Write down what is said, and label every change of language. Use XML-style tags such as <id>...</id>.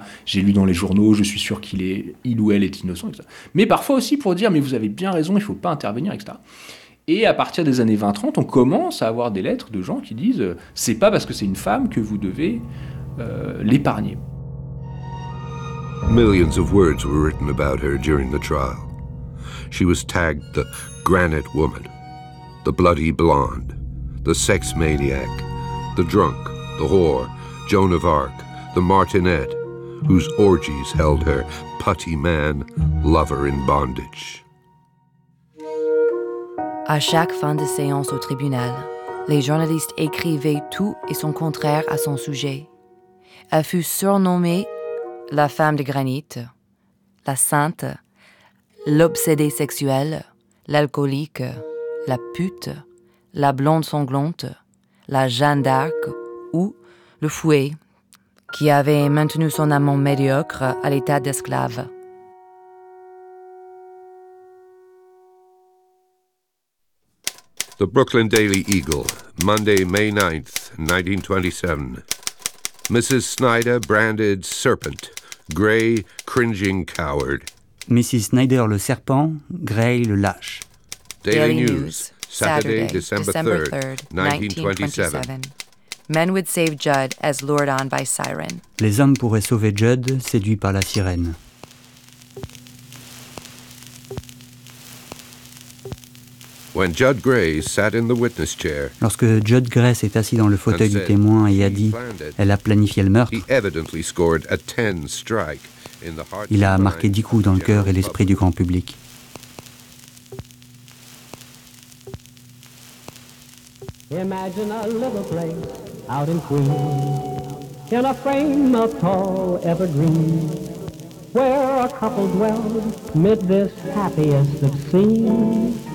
<fr>J'ai lu dans les journaux, je suis sûr qu'il ou elle est innocent, etc. » Mais parfois aussi pour dire « mais vous avez bien raison, il ne faut pas intervenir, etc. » Et à partir des années 20-30, on commence à avoir des lettres de gens qui disent « c'est pas parce que c'est une femme que vous devez l'épargner. »</fr> <en>Millions of words were written about her during the trial. She was tagged the Granite Woman. The bloody blonde, the sex maniac, the drunk, the whore, Joan of Arc, the martinet, whose orgies held her putty man, lover in bondage.</en> <fr>À chaque fin de séance au tribunal, les journalistes écrivaient tout et son contraire à son sujet. Elle fut surnommée la femme de granit, la sainte, l'obsédée sexuelle, l'alcoolique, la pute, la blonde sanglante, la Jeanne d'Arc ou le fouet qui avait maintenu son amant médiocre à l'état d'esclave.</fr> <en>The Brooklyn Daily Eagle, Monday, May 9th, 1927. Mrs. Schneider branded serpent, Gray cringing coward.</en> <fr>Mrs. Schneider le serpent, Gray le lâche.</fr> <en>Daily News. Saturday, December 3rd, 1927. Men would save Judd as lured on by siren.</en> <fr>Les hommes pourraient sauver Judd, séduit par la sirène.</fr> <en>When Judd Gray sat in the witness chair,</en> <fr>lorsque Judd Gray s'est assis dans le fauteuil du témoin et a dit, elle a planifié le meurtre.</fr> <en>He evidently scored a 10 strike in the heart.</en> <fr>Il a marqué 10 coups dans le cœur et l'esprit du grand public.</fr> <en>Imagine a little place out in Queens, in a frame of tall evergreen, where a couple dwells mid this happiest of scenes.</en>